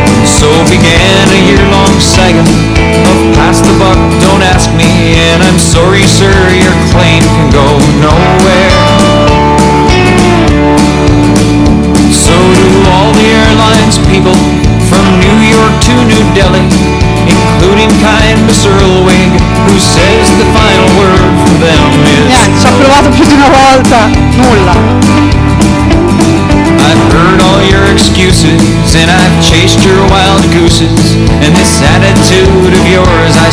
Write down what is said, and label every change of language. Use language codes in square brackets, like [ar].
[en] So began a year-long saga of pass the buck, don't ask me, and I'm sorry, sir, your claim can go nowhere. So do all the airlines people from New York to New Delhi, including kind Miss Earlwig, who says the final word for them is [it] niente, ci ho provato più di una volta, nulla. [en] I've heard all your excuses, and I've chased your wild gooses, and this attitude of yours I